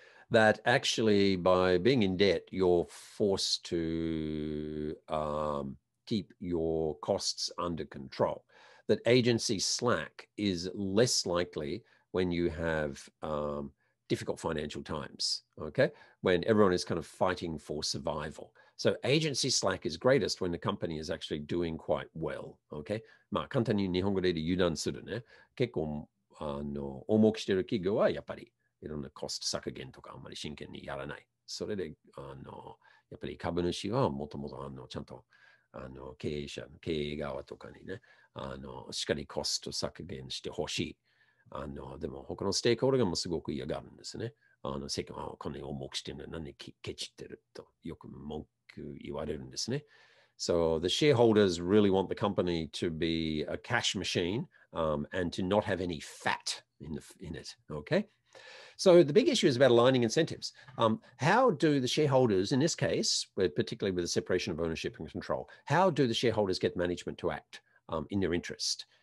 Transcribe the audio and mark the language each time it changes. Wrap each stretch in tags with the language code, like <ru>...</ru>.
<en>That actually, by being in debt, you're forced to keep your costs under control. That agency slack is less likely when you have difficult financial times, okay? When everyone is kind of fighting for survival. So agency slack is greatest when the company is actually doing quite well, okay?</en> <ja>まあ簡単に日本語で言うと油断するね。結構あの重くしてる企業はやっぱりいろんなコスト削減とかあんまり真剣にやらない。それで、あの、やっぱり株主はもともと、あの、ちゃんと、あの、経営者、経営側とかにね、あの、しっかりコスト削減してほしい。あの、でも他のステークホルダーもすごく嫌がるんですね。あの、世間はこんなに重くしてるのに何でケチってるとよく文句言われるんですね。</ja> <en>So the shareholders really want the company to be a cash machine, and to not have any fat in it, okay? So the big issue is about aligning incentives. How do the shareholders, in this case, particularly with the separation of ownership and control, how do the shareholders get management to act in their interest?</en>